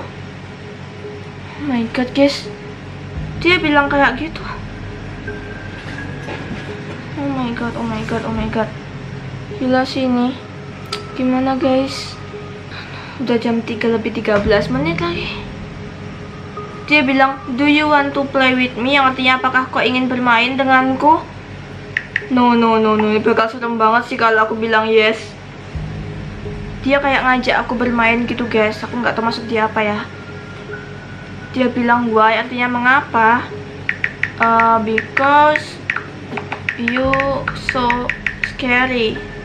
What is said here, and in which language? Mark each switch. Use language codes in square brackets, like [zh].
[en] Oh my god guys. [id] Dia bilang kayak gitu. [en] Oh my god. [id] Gila sih ini. Gimana guys? Udah jam 3 lebih 13 menit lagi. Dia bilang, [en] do you want to play with me? [id] Yang artinya apakah kau ingin bermain denganku? [en] No. [id] Ini bakal serem banget sih kalau aku bilang yes. Dia kayak ngajak aku bermain gitu guys. Aku gak tahu maksud dia apa ya. Dia bilang [en] why, [id] artinya mengapa. [en] Because you so scary.